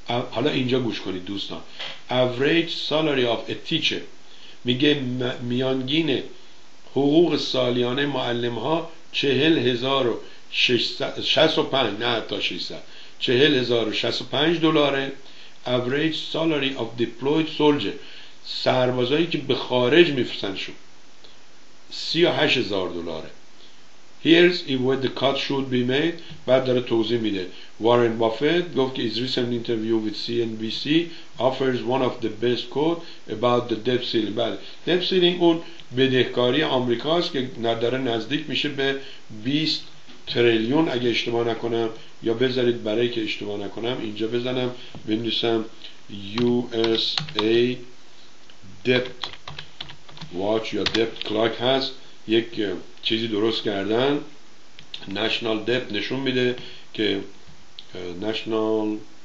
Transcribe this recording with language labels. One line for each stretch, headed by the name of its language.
Persian: حالا اینجا گوش کنید دوستان،
English: average salary of a teacher,
Persian: میگه میانگین حقوق سالیانه معلم ها 40,065 دلاره.
English: average salary of deployed soldier,
Persian: سربازایی که به خارج میفرستنشون، 38,000 دلاره.
English: Here's where the cut should be made.
Persian: بعد داره توضیح میده.
English: Warren Buffett
Persian: گفت که
English: his recent interview with CNBC offers one of the best quote about the debt ceiling.
Persian: بله، debt ceiling اون بدهکاری آمریکاست که داره نزدیک میشه به 20 تریلیون اگه اشتباه نکنم، یا بذارید برای که اشتباه نکنم اینجا بزنم بنویسم
English: USA debt watch
Persian: یا debt clock هست، یک چیزی درست کردن نشنال دپ نشون میده که نشنال